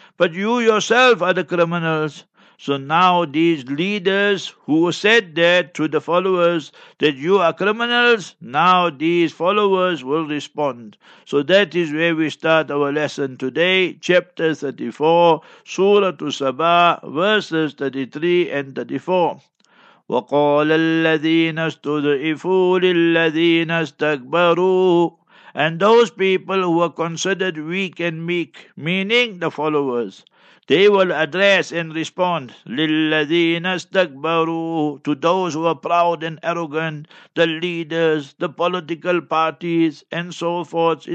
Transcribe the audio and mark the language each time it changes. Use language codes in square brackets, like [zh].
[en] But you yourself are the criminals. So now these leaders who said that to the followers, that you are criminals, now these followers will respond. So that is where we start our lesson today, chapter 34, Surah Sabah, verses 33 and 34. [ar] وقال الذين استضعفوا للذين استكبروا. [en] And those people who were considered weak and meek, meaning the followers, they will address and respond, [ar] للذين استكبروا, [en] to those who are proud and arrogant, the leaders, the political parties, and so forth.